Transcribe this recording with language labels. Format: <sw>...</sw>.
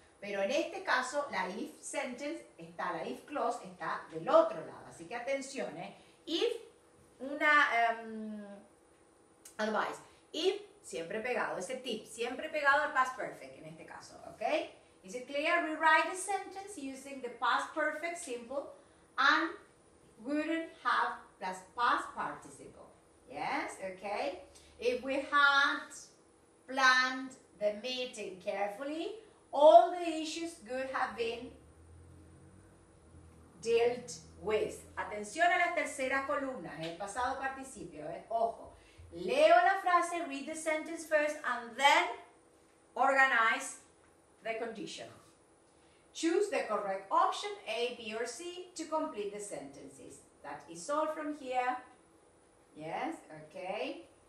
<es>Pero en este caso, la</es> <en>if sentence</en> <es>está, la</es> <en>if clause</en> <es>está del otro lado. Así que atención, eh? If, una advice, if siempre pegado, ese tip, siempre pegado al past perfect en este caso, ok?</es> <en>Is it clear? Rewrite the sentence using the past perfect simple and wouldn't have plus past participle, yes, ok? If we had planned the meeting carefully, all the issues could have been dealt with.</en> <es>Atención a la tercera columna, el pasado participio, eh? Ojo. Leo la frase,</es> <en>read the sentence first, and then organize the conditional. Choose the correct option, A, B, or C, to complete the sentences. That is all from here. Yes, okay.</en>